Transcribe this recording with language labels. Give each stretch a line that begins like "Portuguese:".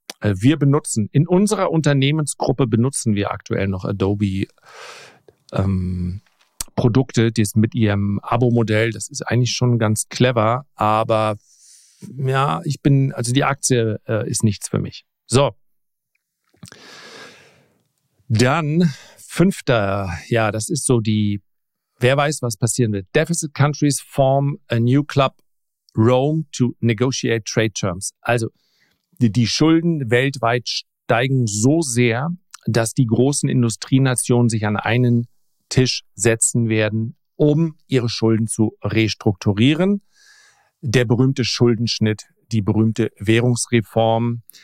German: Wir benutzen, in unserer Unternehmensgruppe benutzen wir aktuell noch Adobe Produkte, die ist mit ihrem Abo-Modell, das ist eigentlich schon ganz clever, aber ja, die Aktie ist nichts für mich. So. Dann fünfter, ja, das ist so die, wer weiß, was passieren wird.
English: Deficit countries form a new club, Rome to negotiate trade terms.
German: Also die Schulden weltweit steigen so sehr, dass die großen Industrienationen sich an einen Tisch setzen werden, um ihre Schulden zu restrukturieren. Der berühmte Schuldenschnitt, die berühmte Währungsreform.